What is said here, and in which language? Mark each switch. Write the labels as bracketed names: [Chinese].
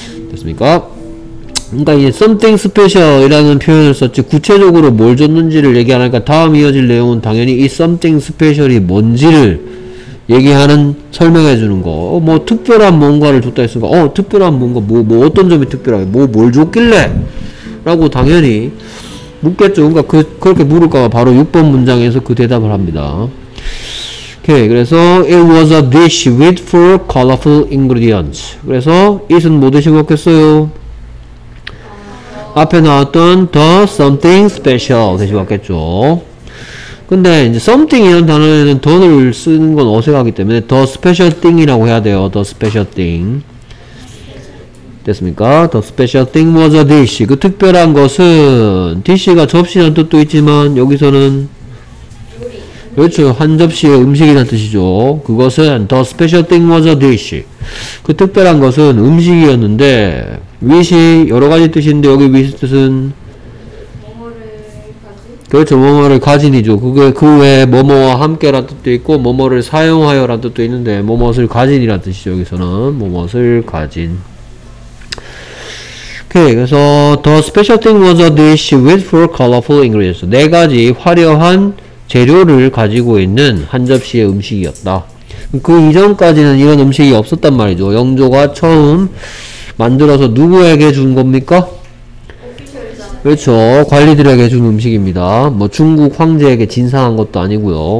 [Korean] 됐습니까? 그러니까 이제 something special이라는 표현을 썼지 구체적으로 뭘 줬는지를 얘기 안 하니까 다음 이어질 내용은 당연히 이 something special이 뭔지를 얘기하는 설명해 주는 거. 뭐 특별한 뭔가를 줬다 했으니까 특별한 뭔가 뭐 어떤 점이 특별하게 뭘 줬길래? 라고 당연히 묻겠죠. 그러니까 그렇게 물을까봐 바로 6번 문장에서 그 대답을 합니다. 오케이. [English] 그래서 It was a dish with four colorful ingredients. [Korean] 그래서 it은 뭐 드시고 왔겠어요? 앞에 나왔던 [English] the something special [Korean] 드시고 왔겠죠. 근데 이제 something이라는 단어에는 the를 쓰는 건 어색하기 때문에 [English] the special thing [Korean] 이라고 해야 돼요. [English] the special thing. 됐습니까? The special thing was a dish. [Korean] 그 특별한 것은 dish가 접시라는 뜻도 있지만 여기서는 그렇죠. 한 접시의 음식이라는 뜻이죠. 그것은 [English] The special thing was a dish. [Korean] 그 특별한 것은 음식이었는데 wish이 여러가지 뜻인데 여기 wish 뜻은 그렇죠. 뭐뭐를 가진이죠. 그게 그 외에 뭐뭐와 함께란 뜻도 있고 뭐뭐를 사용하여란 뜻도 있는데 뭐뭐를 가진이란 뜻이죠. 여기서는 뭐뭐를 가진. 오케이. [English] 그래서 The special thing was a dish with four colorful ingredients. [Korean] 네 가지 화려한 재료를 가지고 있는 한 접시의 음식이었다. 그 이전까지는 이런 음식이 없었단 말이죠. 영조가 처음 만들어서 누구에게 준 겁니까? 그렇죠. 관리들에게 준 음식입니다. 뭐 중국 황제에게 진상한 것도 아니고요.